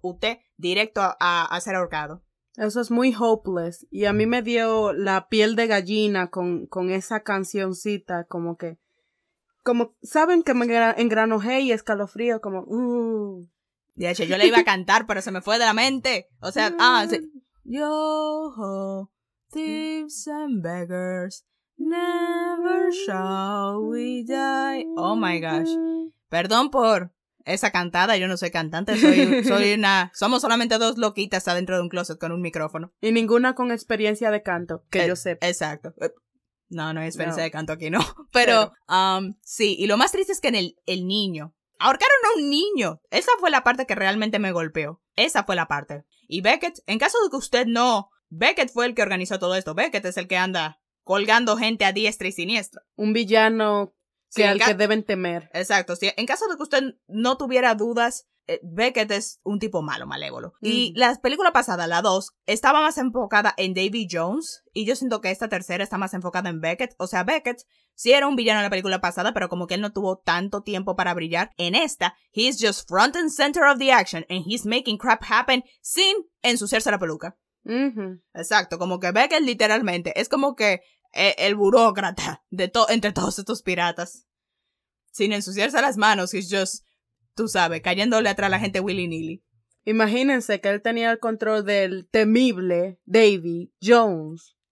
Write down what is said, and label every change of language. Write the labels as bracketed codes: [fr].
[es] Usted directo a ser ahorcado. Eso es muy hopeless. Y a mí me dio la piel de gallina con esa cancioncita, como que... Como saben que me engranojé y escalofrío, como, Ya, yo le iba a cantar, pero se me fue de la mente. O sea, sí. [en] Yo, ho, thieves and beggars, never shall we die. Oh my gosh. [es] Perdón por esa cantada, yo no soy cantante, soy una. Somos solamente dos loquitas adentro de un closet con un micrófono. Y ninguna con experiencia de canto, que yo sepa. Exacto. No hay experiencia de canto aquí, no. Pero, sí, y lo más triste es que en el niño, ahorcaron a un niño. Esa fue la parte que realmente me golpeó. Esa fue la parte. Y Beckett, en caso de que usted no, Beckett fue el que organizó todo esto. Beckett es el que anda colgando gente a diestra y siniestra. Un villano que sí, al que deben temer. Exacto, sí. En caso de que usted no tuviera dudas, Beckett es un tipo malo, malévolo. Mm. Y la película pasada, la 2, estaba más enfocada en Davy Jones. Y yo siento que esta tercera está más enfocada en Beckett. O sea, Beckett sí era un villano en la película pasada, pero como que él no tuvo tanto tiempo para brillar. En esta, [en] he's just front and center of the action. And he's making crap happen [es] sin ensuciarse la peluca. Mm-hmm. Exacto, como que Beckett literalmente es como que el burócrata entre todos estos piratas. Sin ensuciarse las manos, [en] he's just... [es] Tú sabes, cayéndole atrás a la gente willy-nilly. Imagínense que él tenía el control del temible Davy Jones.